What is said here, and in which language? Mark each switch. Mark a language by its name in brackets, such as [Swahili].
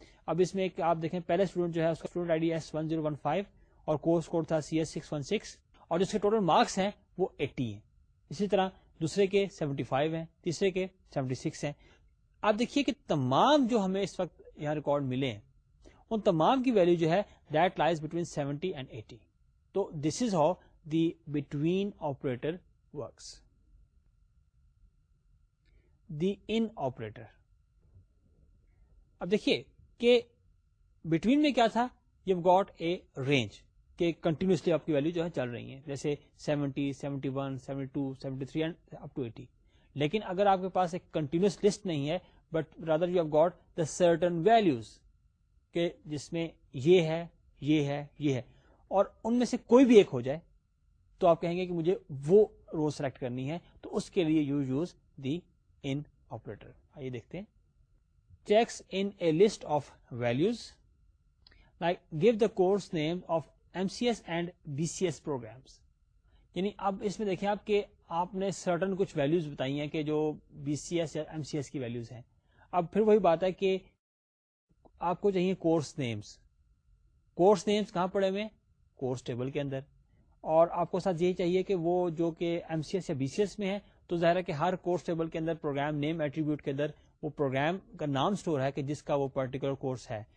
[Urdu] اب اس میں آپ دیکھیں پہلے اسٹوڈنٹ جو ہے اس کا اسٹوڈنٹ آئی ڈی S1015 اور کورس کوڈ تھا CS616, اور جس کے ٹوٹل مارکس ہیں وہ 80 ہیں. اسی طرح دوسرے کے 75 ہیں, تیسرے کے 76 ہیں. آپ دیکھیے کہ تمام جو ہمیں اس وقت یہاں ریکارڈ ملے ہیں ان تمام کی ویلیو جو ہے [English] That lies between 70 and 80. تو this is how the between operator works. [Urdu] The in operator, اب دیکھیے کہ بٹوین میں کیا تھا, [English] you got a range [Urdu] کہ کنٹینیوسلی آپ کی ویلیو جو ہے چل رہی ہے, جیسے 70 71 72 73 اینڈ اپ ٹو 80. لیکن اگر آپ کے پاس ایک کنٹینیوس لسٹ نہیں ہے [English] but rather you have got the certain values [Urdu] کہ جس میں یہ ہے یہ ہے یہ ہے, اور ان میں سے کوئی بھی ایک ہو جائے تو آپ کہیں گے کہ مجھے وہ رو سلیکٹ کرنی ہے, تو اس کے لیے [English] You use the in operator. [Urdu] آئیے دیکھتے ہیں. [English] Checks in a list of values like give the course name of MCS and BCS programmes. [Urdu] یعنی اب اس میں دیکھیں آپ کے آپ نے سرٹن کچھ ویلیوز بتائی ہیں کہ جو BCS یا MCS کی ویلیوز ہیں. اب پھر وہی بات ہے کہ آپ کو چاہیے کورس نیمز. کورس نیمز کہاں پڑے ہوئے ہیں, کورس ٹیبل کے اندر, اور آپ کو ساتھ یہ چاہیے کہ وہ جو کہ MCS یا BCS میں ہے, تو ظاہر ہے کہ ہر کورس ٹیبل کے اندر پروگرام نیم ایٹریبیوٹ کے اندر وہ پروگرام کا نام سٹور ہے کہ جس کا وہ پرٹیکولر کورس ہے.